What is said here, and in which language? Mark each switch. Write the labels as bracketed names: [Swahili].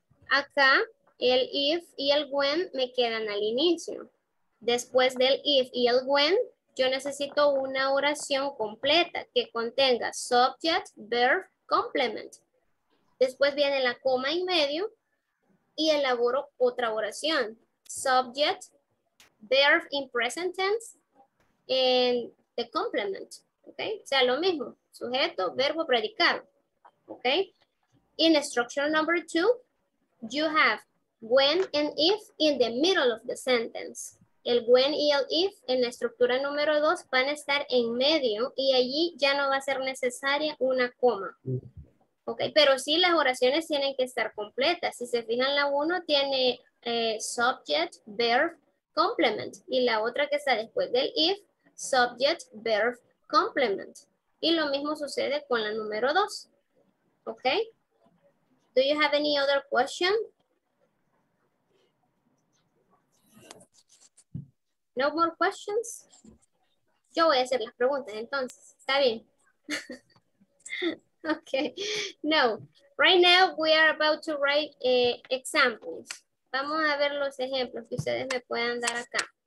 [Spanish] Acá el if y el when me quedan al inicio. Después del if y el when, yo necesito una oración completa que contenga subject, verb, complement. Después viene la coma en medio y elaboro otra oración. [English] Subject, verb in present tense, and the complement. [Spanish] Okay? O sea, lo mismo. Sujeto, verbo, predicado. Okay? [English] In structure number two, you have when and if in the middle of the sentence. [Spanish] El when y el if en la estructura número dos van a estar en medio y allí ya no va a ser necesaria una coma. Ok, pero sí las oraciones tienen que estar completas. Si se fijan, la uno tiene subject, verb, complement. Y la otra que está después del if, subject, verb, complement. Y lo mismo sucede con la número dos. [English] Ok. Do you have any other question? No more questions? [Spanish] Yo voy a hacer las preguntas entonces. Está bien. Okay. No. [English] Right now we are about to write examples. [Spanish] Vamos a ver los ejemplos que ustedes me puedan dar acá.